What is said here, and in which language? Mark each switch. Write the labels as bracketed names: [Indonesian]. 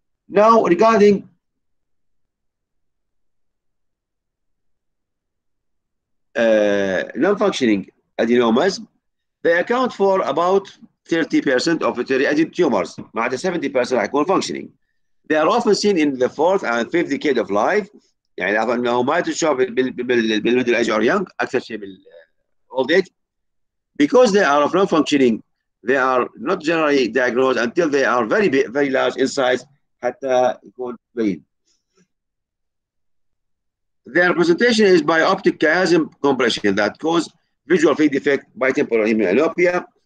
[English] Now regarding non-functioning adenomas, they account for about 30% of pituitary adenoma tumors. [Arabic] معناته 70% حيكون [English] functioning. They are often seen in the fourth and fifth decade of life. [Arabic] يعني لاحظوا انه ما تشوف بالميدل ايج اور يونغ، اكثر شيء بال old age. [English] Because they are of non functioning, they are not generally diagnosed until they are very big, very large in size [Arabic] حتى يكون بين. [English] Their presentation is by optic chiasm compression that cause visual field defect by temporal hemianopia.